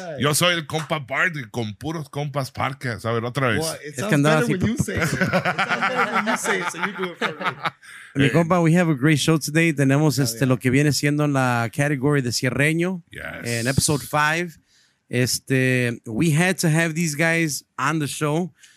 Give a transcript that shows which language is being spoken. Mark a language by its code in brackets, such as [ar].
[es] Yo soy el compa Bart con puros compas parques. A ver, otra vez. [en] Well, it sounds better when you say it. It sounds better when you say it, so you do it for me. [es] Mi compa, [en] we have a great show today. [es] Tenemos lo que viene siendo la category de Cierreño. [en] Yes. In episode 5. We had to have these guys on the show.